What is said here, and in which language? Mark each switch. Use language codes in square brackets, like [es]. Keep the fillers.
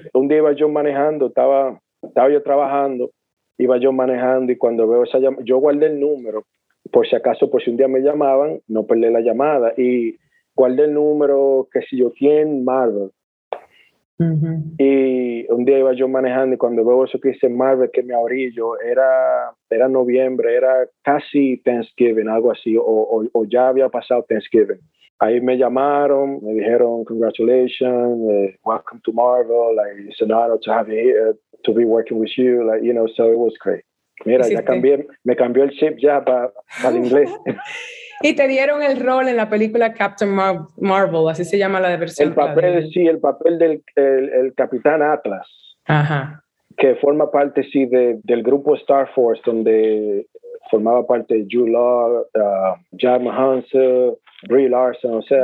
[es] Un día iba yo manejando, estaba estaba yo trabajando, iba yo manejando y cuando veo esa llamada, yo guardé el número, por si acaso, por si un día me llamaban, no perdí la llamada y guardé el número, que si yo quién, Marvel. Uh -huh. Y un día iba yo manejando y cuando veo eso que dice Marvel que me abrí yo, era, era noviembre, era casi Thanksgiving, algo así, o, o, o ya había pasado Thanksgiving. Ahí me llamaron, me dijeron, [en] congratulations, eh, welcome to Marvel, like, it's an honor to have you here to be working with you, like, you know, so it was great. [es] Mira, ya cambié, me cambió el chip ya para pa el inglés. y te dieron el rol en la película Captain Mar Marvel, así se llama la versión. El papel, de... sí, el papel del el, el Capitán Atlas, Ajá. que forma parte, sí, de, del grupo Star Force, donde formaba parte Drew Law, uh, John Hansel, Brie Larson, o sea.